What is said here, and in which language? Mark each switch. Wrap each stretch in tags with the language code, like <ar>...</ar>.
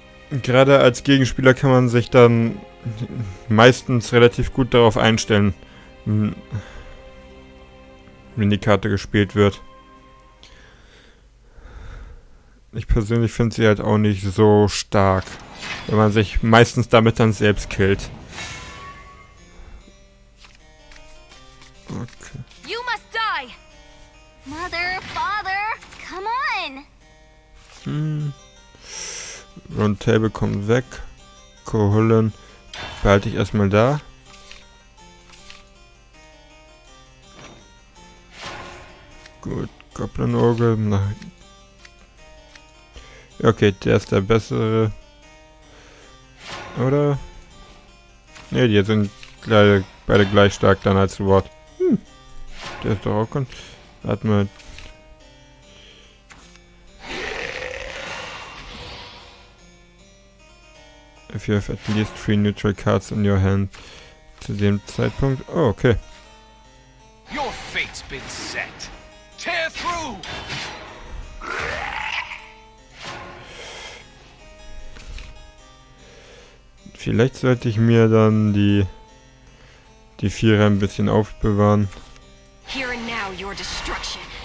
<de>Gerade als Gegenspieler kann man sich dann meistens relativ gut darauf einstellen. Wenn die Karte gespielt wird. Ich persönlich finde sie halt auch nicht so stark, wenn man sich meistens damit dann selbst killt.</de> <en>Okay. You must die. Mother, Father, come on.</en> <de>Roundtable kommt weg. Kohullen behalte ich erstmal da. Gut, Goblin-Orgel. Okay, der ist der bessere. Oder? Ne, die sind leider beide gleich stark dann als Wort. Der ist doch auch gut. Warte mal.</de> <en>If you have at least 3 neutral cards in your hand</en> <de>zu dem Zeitpunkt.</de> <en>Oh, okay. Your fate's been set. Tear through!</en> <de>Vielleicht sollte ich mir dann die Vierer ein bisschen aufbewahren.</de> <en>Here and now, your destruction.</en>